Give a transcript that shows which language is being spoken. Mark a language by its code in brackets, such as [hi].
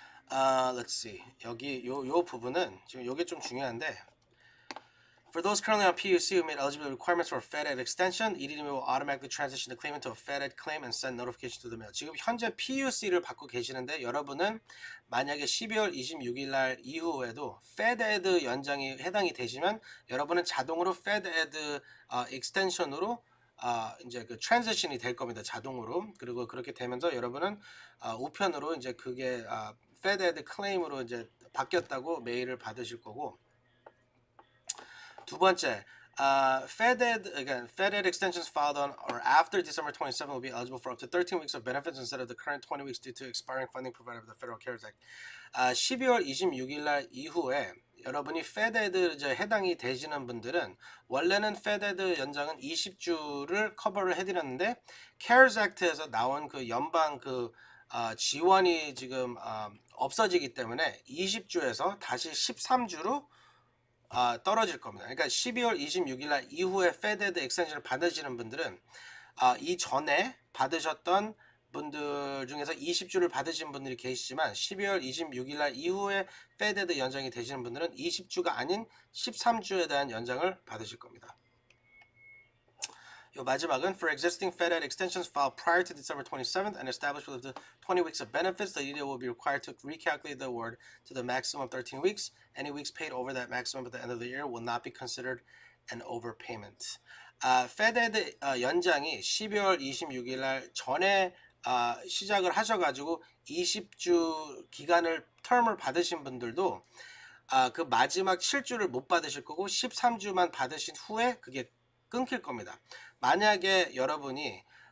[en] Let's see. [ko] 여기 요 부분은 지금 요게 좀 중요한데, [en] For those currently on PUC who meet eligibility requirements for FedEd extension, EDD will automatically transition the claimant to a FedEd claim and send notification to the mail. [ko] 지금 현재 PUC를 받고 계시는데, 여러분은 만약에 12월 26일 날 이후에도 FedEd 연장이 해당이 되시면, 여러분은 자동으로 FedEd extension으로 이제 그 트랜지션이 될 겁니다. 자동으로. 그리고 그렇게 되면서 여러분은 우편으로 이제 그게 FedEd claim으로 이제 바뀌었다고 메일을 받으실 거고, 두 번째, [en] FedEd extensions filed on or after December 27 will be eligible for up to 13 weeks of benefits instead of the current 20 weeks due to expiring funding provided by the Federal CARES Act. [ko] 12월 26일 날 이후에 여러분이 FedEd 이제 해당이 되시는 분들은, 원래는 FedEd 연장은 20주를 커버를 해드렸는데, CARES Act에서 나온 그 연방 그 지원이 지금 없어지기 때문에 20주에서 다시 13주로 떨어질 겁니다. 그러니까 12월 26일 날 이후에 FedEd extension을 받으시는 분들은 이전에 받으셨던 분들 중에서 20주를 받으신 분들이 계시지만, 12월 26일 날 이후에 FedEd 연장이 되시는 분들은 20주가 아닌 13주에 대한 연장을 받으실 겁니다. 요 마지막은 [en] For existing FedEd extensions filed prior to December 27th and established with the 20 weeks of benefits, the EDD will be required to recalculate the award to the maximum of 13 weeks. Any weeks paid over that maximum at the end of the year will not be considered an overpayment. [ko] FedEd 연장이 12월 26일 날 전에 시작을 하셔가지고 20주 기간을 term을 받으신 분들도 그 마지막 7주를 못 받으실 거고, 13주만 받으신 후에 그게 끊길 겁니다. 만약에 여러분이